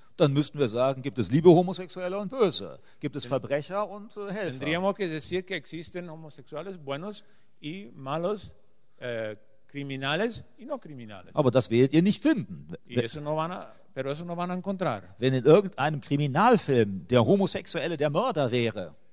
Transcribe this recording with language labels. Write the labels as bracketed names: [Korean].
[German] dann müssten wir sagen, gibt es liebe Homosexuelle und böse? Gibt es Verbrecher und Helfer? [Spanish] Tendríamos que decir que existen homosexuales buenos y malos, criminales y no criminales. [German] Aber das werdet ihr nicht finden. [Spanish] Pero eso no van a encontrar. [German] Wenn in irgendeinem Kriminalfilm der Homosexuelle der Mörder wäre.